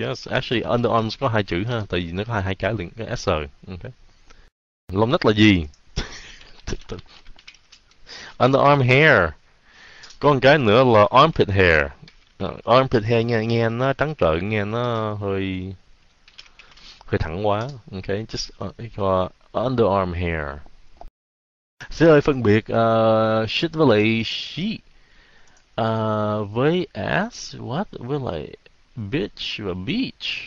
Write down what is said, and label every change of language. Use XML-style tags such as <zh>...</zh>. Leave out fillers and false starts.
<vi>Actually, underarms có hai chữ ha, tại vì nó có hai cái liền cái S. Okay. Lông nách là gì? Underarm hair. Có một cái nữa là armpit hair. Armpit hair nghe nghe nó trắng trợn, nghe nó hơi hơi thẳng quá.</vi> <en>Okay, just underarm hair.</en> <vi>Sẽ hơi phân biệt shit với lại she, với ass, what với lại bitch và beach.</vi>